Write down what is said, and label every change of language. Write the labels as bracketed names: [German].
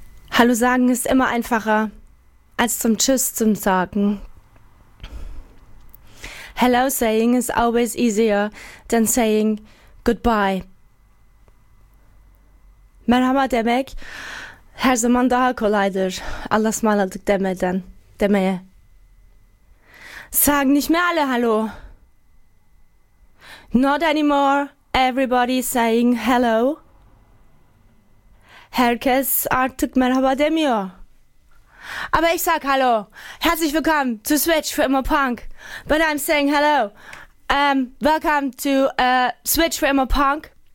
[German] Hallo sagen ist immer einfacher als zum Tschüss zum sagen. [English] Hello saying is always easier than saying goodbye. [Turkish] Merhaba demek her zaman daha kolaydır. Allah'a ısmarladık demeye. [German] Sagen nicht mehr alle hallo. [English] Not anymore everybody saying hello. [Turkish] Herkes artık merhaba demiyor. [German] Aber ich sag hallo. Herzlich willkommen to Switch for Immer Punk. [English] But I'm saying hello. Welcome to Switch for Immer Punk.